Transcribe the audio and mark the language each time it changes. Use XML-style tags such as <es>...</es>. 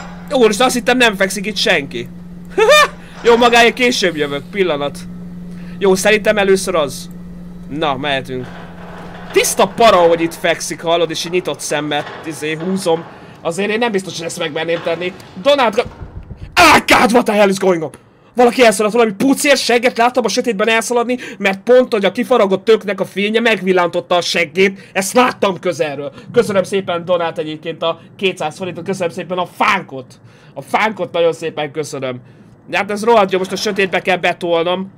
<hu>Úr, és azt hittem nem fekszik itt senki. Jó, magáért később jövök, pillanat. Jó, szerintem először az. Na, mehetünk. Tiszta para, hogy itt fekszik, hallod, és így nyitott szemmel, izé, húzom. Azért én nem biztos, hogy ezt megmerném tenni.</hu> <en>Donald, God, what the hell is going on?</en> <hu>Valaki elszaladt, valami pucér segget láttam a sötétben elszaladni, mert pont, hogy a kifaragott töknek a fénye megvillantotta a seggét. Ezt láttam közelről. Köszönöm szépen Donát egyébként a 200 forintot, köszönöm szépen a fánkot. A fánkot nagyon szépen köszönöm. De hát ez rohadt jó, most a sötétbe kell betolnom.</hu>